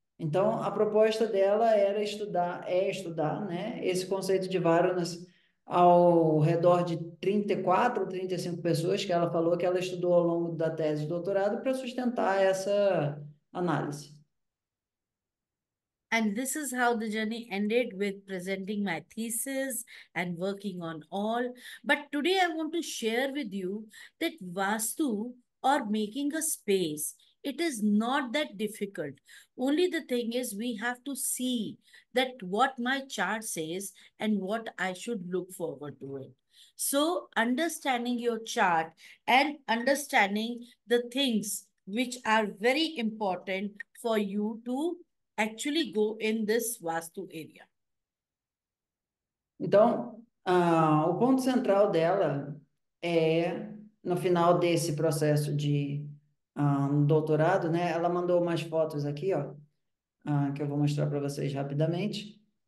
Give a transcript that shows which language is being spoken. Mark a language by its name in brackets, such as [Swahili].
[Portuguese] Então, a proposta dela era estudar, né, esse conceito de Varanas ao redor de 34 ou 35 pessoas que ela falou que ela estudou ao longo da tese de doutorado para sustentar essa análise. [English] And this is how the journey ended with presenting my thesis and working on all. But today I want to share with you that Vastu or making a space, it is not that difficult. Only the thing is we have to see that what my chart says and what I should look forward to it. So understanding your chart and understanding the things which are very important for you to actually go in this vast area. [Portuguese] Então, o ponto central dela é, no final desse processo de doutorado, né? Ela mandou umas fotos aqui, ó, que eu vou mostrar para vocês rapidamente.